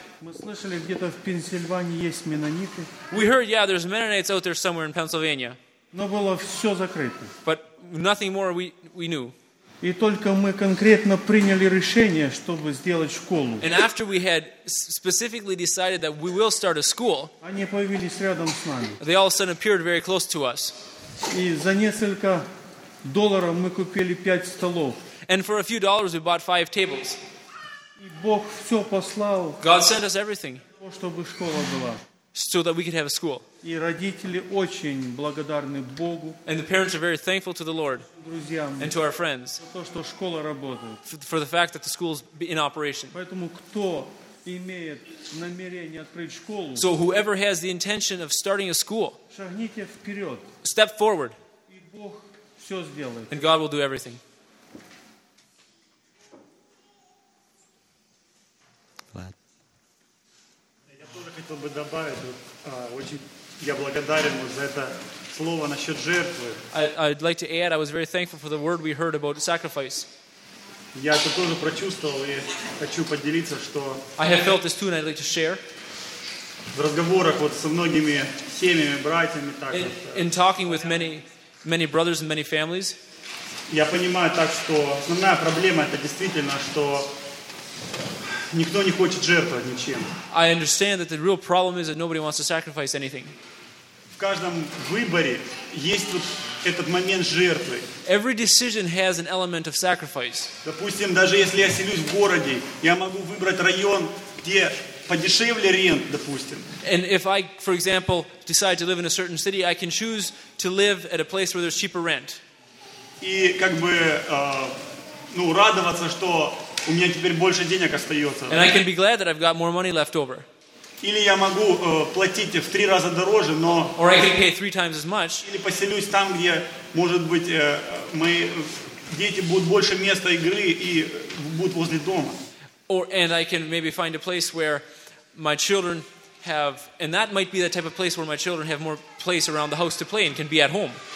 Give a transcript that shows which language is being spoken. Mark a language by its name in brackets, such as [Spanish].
[English] We heard, yeah, there's Mennonites out there somewhere in Pennsylvania. But nothing more we knew. [Russian] И только мы конкретно приняли решение, чтобы сделать школу. [English] And after we had specifically decided that we will start a school, [Russian] они появились рядом с нами. [English] They all of a sudden appeared very close to us. [Russian] И за несколько долларов мы купили 5 столов. [English] And for a few dollars we bought 5 tables. [Russian] И Бог все послал. [English] God sent us everything. [Russian] Чтобы школа была. [English] So that we could have a school. [Russian] И родители очень благодарны Богу. [English] And the parents are very thankful to the Lord. [Russian] Друзьям. [English] And to our friends. [Russian] За то, что школа работает. [English] For the fact that the school is in operation. [Russian] Поэтому кто имеет намерение открыть школу? [English] So whoever has the intention of starting a school. [Russian] Шагните вперед. [English] Step forward. [Russian] И Бог все сделает. [English] And God will do everything. [Russian] Хотел бы добавить, очень я благодарен за это слово насчет жертвы. [English] I'd like to add, I was very thankful for the word we heard about sacrifice. [Russian] Я это тоже прочувствовал и хочу поделиться, что. [English] I have felt this too, and I'd like to share. [Russian] В разговорах вот со многими семьями, братьями так. [English] In talking with many brothers and many families. [Russian] Я понимаю так, что основная проблема это действительно, что. Никто не хочет жертвовать ничем. [English] I understand that the real problem is that nobody wants to sacrifice anything. [Russian] В каждом выборе есть вот этот момент жертвы. [English] Every decision has an element of sacrifice. [Russian] Допустим, даже если я селюсь в городе, я могу выбрать район, где подешевле рент, допустим. [English] And if I, for example, decide to live in a certain city, I can choose to live at a place where there's cheaper rent. [Russian] И как бы радоваться, что у меня теперь больше денег остается. [English] And I can be glad that I've got more money left over. [Russian] Или я могу платить в три раза дороже, но. [English] Or I can pay three times as much. [Russian] Или поселюсь там, где, может быть, мои дети будут больше места игры и будут возле дома. [English] Or and I can maybe find a place where my children have, and that might be the type of place where my children have more place around the house to play and can be at home.